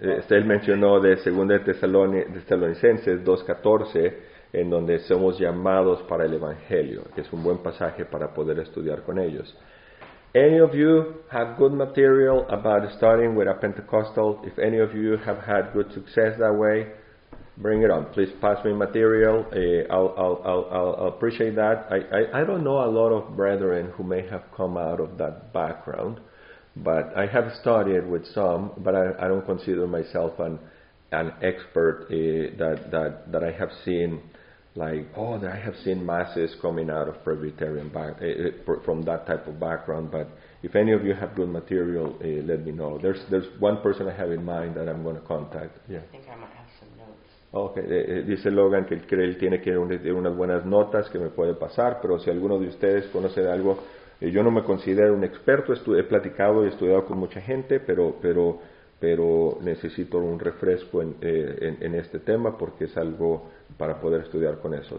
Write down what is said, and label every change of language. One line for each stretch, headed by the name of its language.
Spanish: Él mencionó de 2 Tesalonicenses 2:14, en donde somos llamados para el evangelio, que es un buen pasaje para poder estudiar con ellos.
English: Any of you have good material about starting with a Pentecostal? If any of you have had good success that way, bring it on. Please pass me material. I'll appreciate that. I don't know a lot of brethren who may have come out of that background, but I have studied with some, but I don't consider myself an expert that I have seen. I have seen masses coming out of Presbyterian from that type of background. But if any of you have good material, let me know. There's one person I have in mind that I'm going to contact. Yeah. I think I might have some notes. Okay.
Spanish: Dice Logan que cree él tiene que tener unas buenas notas que me puede pasar. Pero si alguno de ustedes conoce de algo, yo no me considero un experto. He platicado y estudiado con mucha gente, pero necesito un refresco en este tema porque es algo para poder estudiar con eso.